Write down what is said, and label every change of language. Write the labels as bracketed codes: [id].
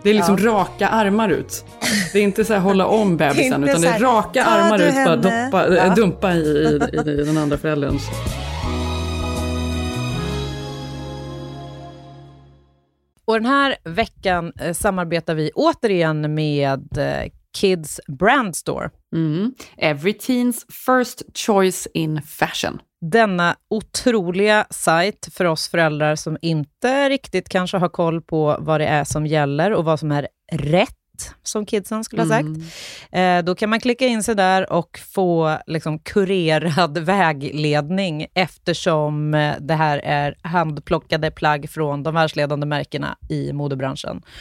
[sv] Det är liksom raka armar ut. Det är inte så här hålla om bebisen, utan det är raka armar ut. Bara dumpa i den andra föräldern. Och den här veckan samarbetar vi återigen med Kids Brand Store. Mm. [en] Every teen's first choice in fashion. [sv] Denna otroliga sajt för oss föräldrar som inte riktigt kanske har koll på vad det är som gäller och vad som är rätt, som kidsen skulle ha sagt. Då kan man klicka in sig där och få liksom kurerad vägledning eftersom det här är handplockade plagg från de världsledande märkena i modebranschen.